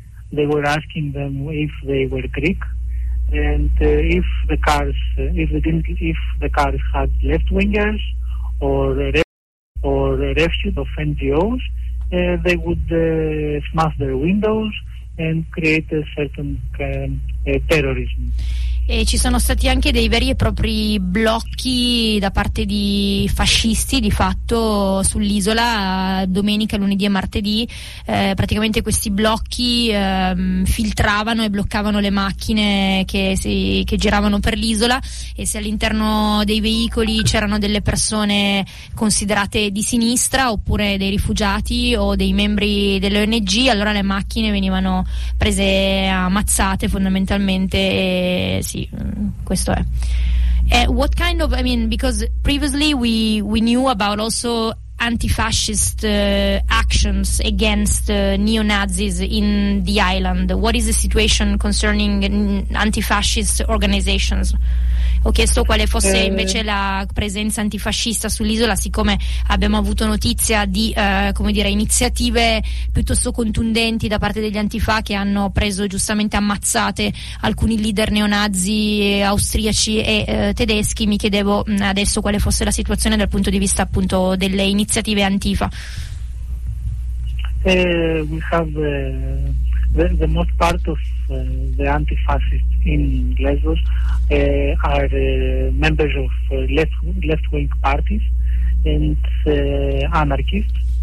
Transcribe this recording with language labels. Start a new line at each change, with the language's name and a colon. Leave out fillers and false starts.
English: They were asking them if they were Greek. And if the cars had left wingers or refuse of NGOs, they would smash their windows and create a certain terrorism.
Italian: E ci sono stati anche dei veri e propri blocchi da parte di fascisti di fatto sull'isola domenica, lunedì e martedì, praticamente questi blocchi filtravano e bloccavano le macchine che giravano per l'isola, e se all'interno dei veicoli c'erano delle persone considerate di sinistra oppure dei rifugiati o dei membri dell'ONG, allora le macchine venivano prese ammazzate fondamentalmente, e sì, questo è.
English: What kind of, I mean, because previously we knew about also anti-fascist actions against neo-Nazis in the island. What is the situation concerning anti-fascist organizations?
Italian: Ho chiesto quale fosse invece la presenza antifascista sull'isola, siccome abbiamo avuto notizia di come dire, iniziative piuttosto contundenti da parte degli antifa che hanno preso giustamente ammazzate alcuni leader neonazi austriaci e tedeschi. Mi chiedevo adesso quale fosse la situazione dal punto di vista appunto delle iniziative antifa.
English: We have the most part of the anti-fascists in Lesbos are members of left-wing parties and anarchists.